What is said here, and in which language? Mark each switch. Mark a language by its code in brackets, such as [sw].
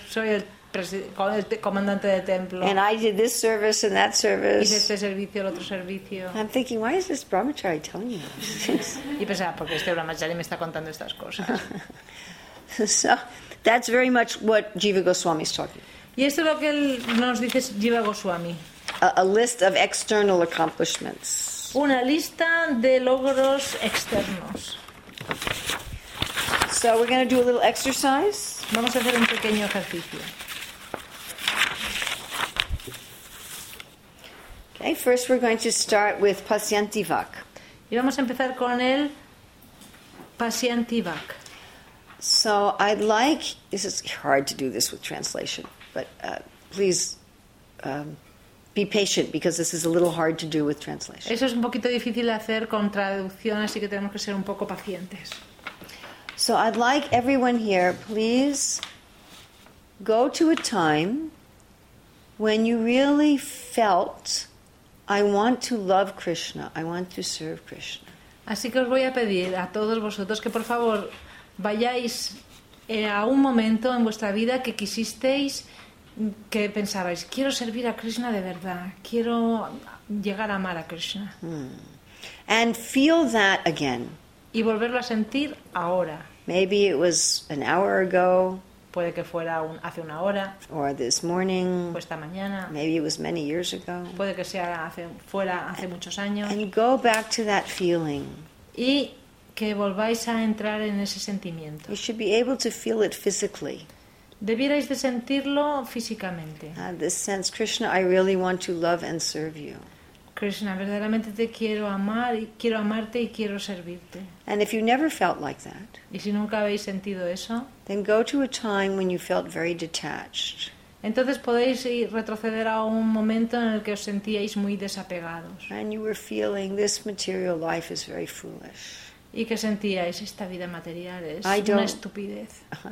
[es] Soy el comandante del templo. [en] And I did this service and that service. [es] Hice este servicio, el otro servicio. [en] I'm thinking, why is this brahmachari telling me this? [es] Y pensaba, porque este brahmachari me está contando estas cosas. [en] So that's very much what Jiva Goswami is talking. [es] Y esto es lo que él nos dice, Jiva Goswami. [en] A list of external accomplishments. [es] Una lista de logros externos. [en] So we're going to do a little exercise. [es] Vamos a hacer un pequeño ejercicio. [en] Okay, first we're going to start with Pasyanti Vak. [es] Y vamos a empezar con el Pasyanti Vak. [en] So I'd like, this is hard to do this with translation, but please be patient, because this is a little hard to do with translation. [es] Eso es un poquito difícil de hacer con traducción, así que tenemos que ser un poco pacientes. [en] So I'd like everyone here, please go to a time when you really felt, I want to love Krishna, I want to serve Krishna. [es] Así que os voy a pedir a todos vosotros que por favor vayáis a un momento en vuestra vida que quisisteis, que pensabais, quiero servir a Krishna de verdad, quiero llegar a amar a Krishna. [en] And feel that again. [es] Y volverlo a sentir ahora. [en] Maybe it was an hour ago. [es] Puede que fuera hace una hora. [en] Or this morning. [es] O esta mañana. [en] Maybe it was many years ago. [es] Puede que sea fuera hace muchos años. [en] And go back to that feeling. [es] Y que volváis a entrar en ese sentimiento. [en] You should be able to feel it physically. [es] Debierais de sentirlo físicamente. [en] This sense, Krishna, I really want to love and serve you. [es] Krishna, verdaderamente te quiero amar, y quiero amarte y quiero servirte. [en] And if you never felt like that, [es] y si nunca habéis sentido eso, [en] then go to a time when you felt very detached. [es] Entonces podéis retroceder a un momento en el que os sentíais muy desapegados. [en] And you were feeling this material life is very foolish. [es] Y que sentíais, esta vida material es una estupidez.